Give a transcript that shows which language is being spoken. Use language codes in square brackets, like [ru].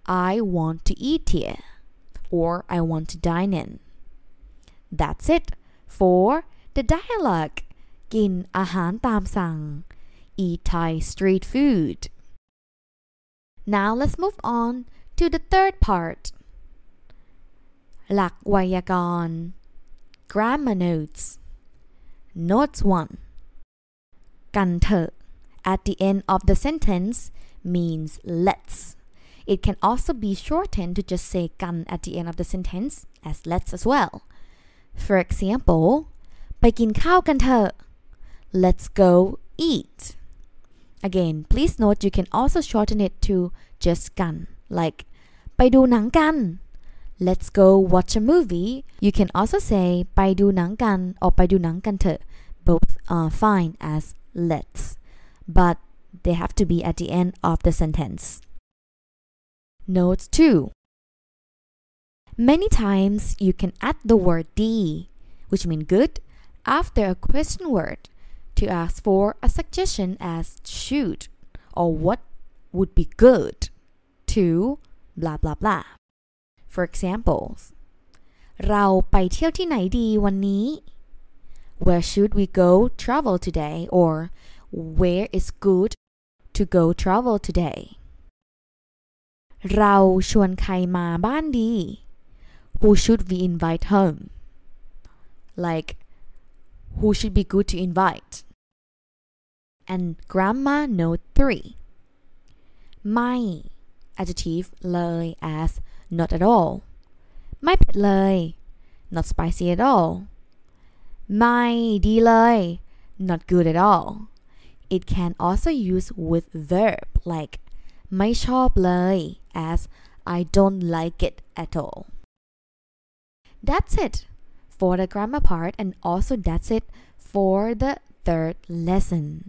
[en] I want to eat here or I want to dine in. That's it for the dialogue [th] กินอาหารตามสั่ง [en] Eat Thai street food. Now let's move on to the third part. [th] หลักไวยากรณ์ [en] Grammar notes. Notes 1. กันเถอะ At the end of the sentence means let's. It can also be shortened to just say กัน at the end of the sentence as let's as well. [th] For example, ไปกินข้าวกันเถอะ [en] Let's go eat. Again, please note you can also shorten it to just gan. Like, [th] ไปดูหนังกัน [en] Let's go watch a movie. You can also say [th] ไปดูหนังกัน [en] or [th] ไปดูหนังกันเถอะ [en] Both are fine as let's. But they have to be at the end of the sentence. Note 2. Many times you can add the word di, which mean good, after a question word. To ask for a suggestion as should or what would be good to blah blah blah. For examples, [th] เราไปเที่ยวที่ไหนดีวันนี้ [en] Where should we go travel today? Or where is good to go travel today? [th] เราชวนใครมาบ้านดี [en] Who should we invite home? Like, who should be good to invite? And grammar note 3. ไม่ adjective เลย as not at all. [th] ไม่เผ็ดเลย [en] not spicy at all. [th] ไม่ดีเลย [en] not good at all. It can also use with verb like [th] ไม่ชอบเลย [en] as I don't like it at all. That's it for the grammar part and also that's it for the third lesson.